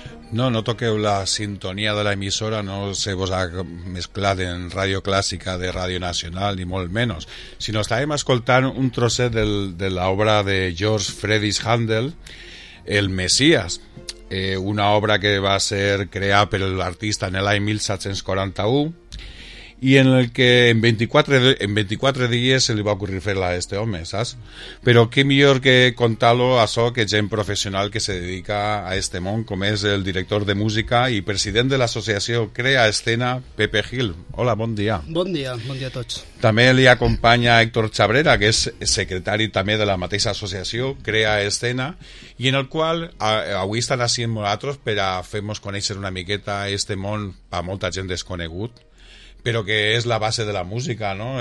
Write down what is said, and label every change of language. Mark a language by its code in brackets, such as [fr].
[ca] No, no toqueu la sintonia de l'emissora, no se vos ha mesclat en Ràdio Clàssica de Ràdio Nacional, ni molt menys, sinó estàvem escoltant un trosset de l'obra de George Friedrich Händel, El Messias, una obra que va ser creada per l'artista en l'any 1741, [es] y en el que en 24 días se le va a ocurrir [ca] fer-la [es] a este hombre, ¿sabes? Pero qué mejor que contarlo a eso que gente profesional que se dedica a este món, como es el director de música y presidente de la asociación Crea Escena, Pepe Gil. Hola, buen día. Buen día a todos. También le acompaña Héctor Chabrera, que es [ca] secretari també de la mateixa associació Crea Escena, i en el qual avui estan així amb nosaltres per a fer-nos conèixer una miqueta este món per a molta gent desconegut, però que és la base de la música, no?